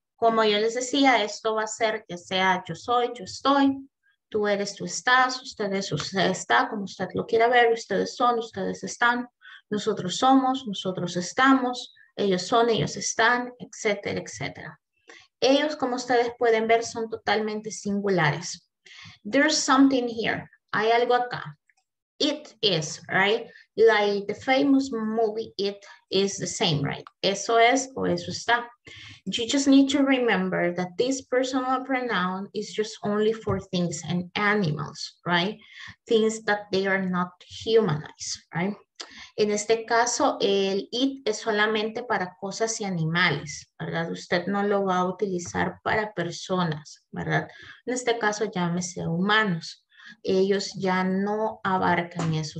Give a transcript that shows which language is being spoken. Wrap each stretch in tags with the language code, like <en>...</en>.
<es>Como yo les decía, esto va a ser que sea yo soy, yo estoy, tú eres, tú estás, ustedes, usted está, como usted lo quiera ver, ustedes son, ustedes están, nosotros somos, nosotros estamos, ellos son, ellos están, etcétera, etcétera. Ellos, como ustedes pueden ver, son totalmente singulares.</es> <en>There's something here.</en> <es>Hay algo acá.</es> <en>It is, right? Like the famous movie, it is the same, right?</en> <es>Eso es o eso está.</es> <en>You just need to remember that this personal pronoun is just only for things and animals, right? Things that they are not humanized, right?</en> <es>En este caso, el it es solamente para cosas y animales, ¿verdad? Usted no lo va a utilizar para personas, ¿verdad? En este caso, llámese humanos. Ellos ya no abarcan eso.</es>